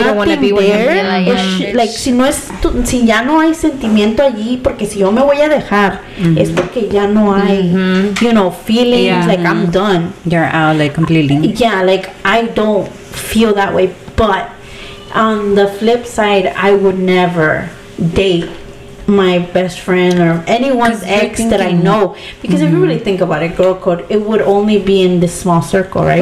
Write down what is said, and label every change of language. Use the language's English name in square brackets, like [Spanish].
[English] I let him go because you don't want to be with him. [Spanish] Si ya no hay sentimiento allí, porque si yo me voy a dejar, es porque ya no hay, you know, feelings. [English] Yeah. Like, I'm done. You're out, like, completely. Yeah, like, I don't feel that way. But on the flip side, I would never date my best friend or anyone's ex that I know, because if you really think about it, girl code, it would only be in this small circle, right?